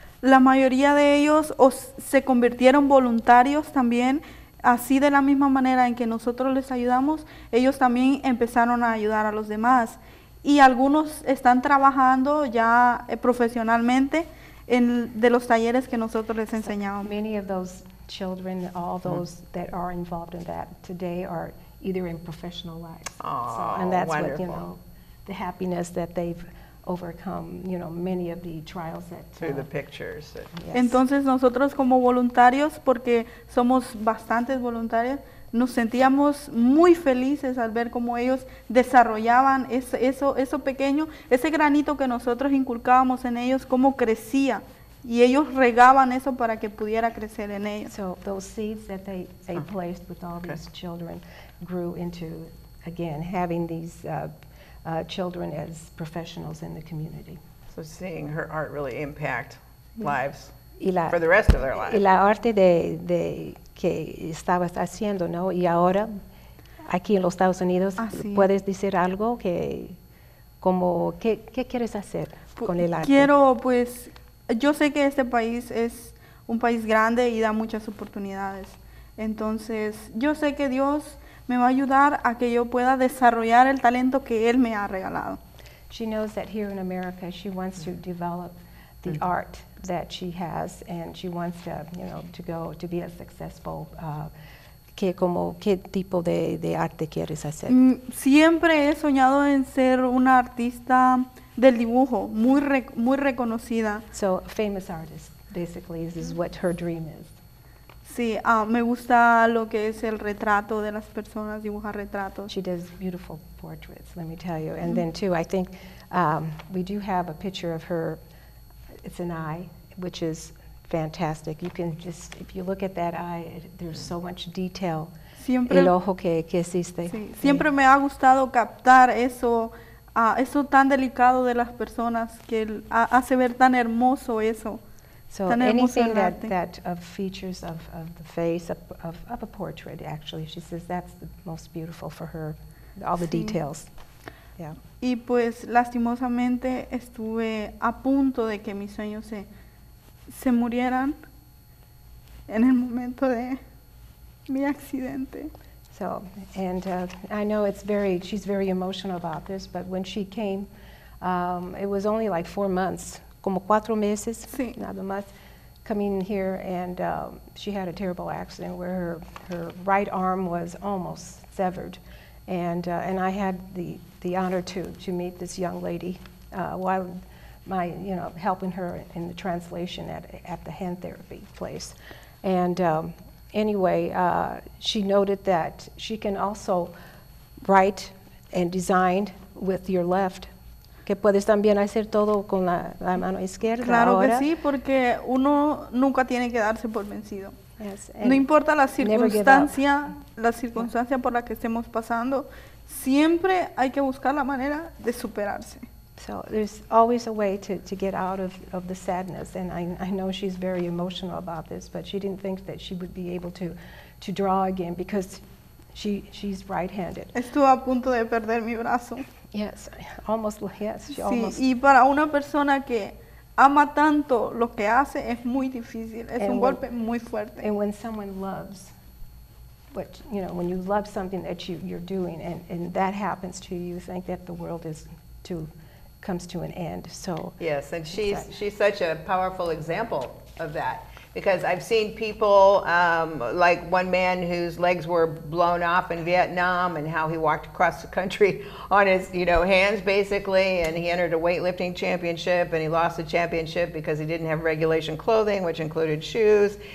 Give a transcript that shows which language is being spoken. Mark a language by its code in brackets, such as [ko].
[es] La mayoría de ellos se convirtieron voluntarios también. Así de la misma manera en que nosotros les ayudamos, ellos también empezaron a ayudar a los demás. Y algunos están trabajando ya profesionalmente en de los talleres que nosotros les enseñamos. [en] So many of those children, all those that are involved in that today are either in professional lives. Oh, and that's wonderful. What, you know, the happiness that they've overcome, you know, many of the trials that through the pictures. Yes. [es] Entonces nosotros como voluntarios, porque somos bastantes voluntarios, nos sentíamos muy felices al ver cómo ellos desarrollaban eso pequeño, ese granito que nosotros inculcábamos en ellos, cómo crecía, y ellos regaban eso para que pudiera crecer en ellos. [en] So those seeds that they placed with all these children grew into, again, having these children as professionals in the community. So seeing her art really impact lives for the rest of their lives. [es] Y la arte de que estabas haciendo, ¿no? Y ahora aquí en los Estados Unidos, ¿puedes decir algo que como qué quieres hacer con el arte? Quiero, pues, yo sé que este país es un país grande y da muchas oportunidades. Entonces, yo sé que Dios me va a ayudar a que yo pueda desarrollar el talento que él me ha regalado. [en] She knows that here in America she wants to develop the art that she has, and she wants to, you know, to go to be a successful [es] qué tipo de arte quieres hacer. Siempre he soñado en ser una artista del dibujo muy reconocida. [en] So a famous artist basically is what her dream is. [es] Sí, me gusta lo que es el retrato de las personas, dibujar retratos. [en] She does beautiful portraits, let me tell you. And then too, I think we do have a picture of her. It's an eye, which is fantastic. You can just, if you look at that eye, there's so much detail. [es] Siempre, el ojo que existe. Sí, siempre me ha gustado captar eso, eso tan delicado de las personas, que hace ver tan hermoso eso. [en] So anything that of features of the face of a portrait, actually, she says that's the most beautiful for her, all the details. [es] Yeah. Y pues lastimosamente estuve a punto de que mis sueños se murieran en el momento de mi accidente. [en] So, and I know she's very emotional about this, but when she came, it was only like 4 months. [es] Como 4 meses, sí. Nada más, [en] coming here, and she had a terrible accident where her right arm was almost severed, and I had the honor to meet this young lady while my, you know, helping her in the translation at the hand therapy place, and anyway, she noted that she can also write and design with your left. [es] Que puedes también hacer todo con la mano izquierda. Claro, ahora. Que sí, porque uno nunca tiene que darse por vencido. [en] Yes, [es] no importa la circunstancia por la que estemos pasando, siempre hay que buscar la manera de superarse. [en] So there's always a way to get out of the sadness, and I know she's very emotional about this, but she didn't think that she would be able to draw again because she's right-handed. [es] Estuvo a punto de perder mi brazo. [en] Yes, almost, yes, she [es] sí, [en] almost. [es] Y para una persona que ama tanto lo que hace, es muy difícil, es un golpe muy fuerte. [en] And when someone loves, but, you know, when you love something that you're doing, and that happens to you, you think that the world is too, comes to an end. So yes, and she's such a powerful example of that, because I've seen people like one man whose legs were blown off in Vietnam, and how he walked across the country on his, you know, hands basically, and he entered a weightlifting championship and he lost the championship because he didn't have regulation clothing, which included shoes.